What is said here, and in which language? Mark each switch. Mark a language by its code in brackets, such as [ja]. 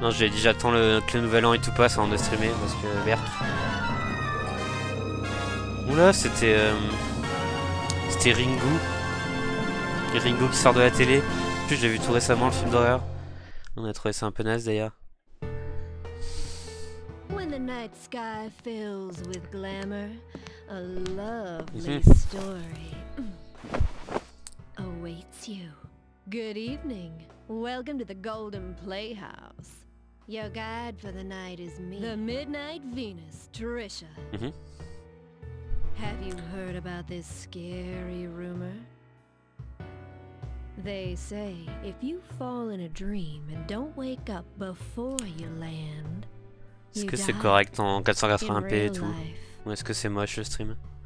[fr] Non, j'ai déjà attendu le nouvel an et tout passe avant de streamer, parce que... Berk. Oula, c'était... C'était Ringu. Ringu qui sort de la télé. En plus, j'ai vu tout récemment le film d'horreur. On a trouvé ça un peu naze, d'ailleurs. [en] The night sky fills with glamour, a lovely story awaits you. Good evening. Welcome to the Golden Playhouse. Your guide for the night is me, the Midnight Venus, Trisha. Have you heard about this scary rumor? They say if you fall in a dream and don't wake up before you land. [fr] Est-ce que c'est correct en 480p et tout? Ou est-ce que c'est moche le stream?